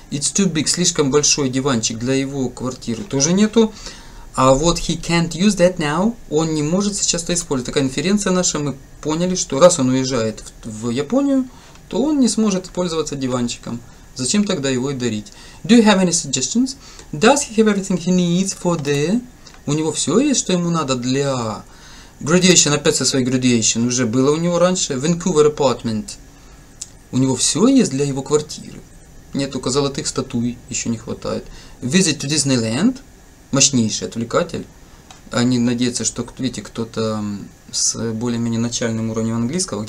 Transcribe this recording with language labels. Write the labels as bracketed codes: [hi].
[en] It's too big, [ru] слишком большой диванчик для его квартиры. Тоже нету. А вот [en] he can't use that now. [ru] Он не может сейчас это использовать. Это конференция наша, мы поняли, что раз он уезжает в Японию, то он не сможет пользоваться диванчиком. Зачем тогда его и дарить? [en] Do you have any suggestions? Does he have everything he needs for the... [ru] У него все есть, что ему надо для... Graduation, опять со своей graduation, уже было у него раньше. Vancouver apartment. У него все есть для его квартиры. Нет, только золотых статуй еще не хватает. [en] Visit to Disneyland. [ru] Мощнейший отвлекатель. Они надеются, что, видите, кто-то с более-менее начальным уровнем английского.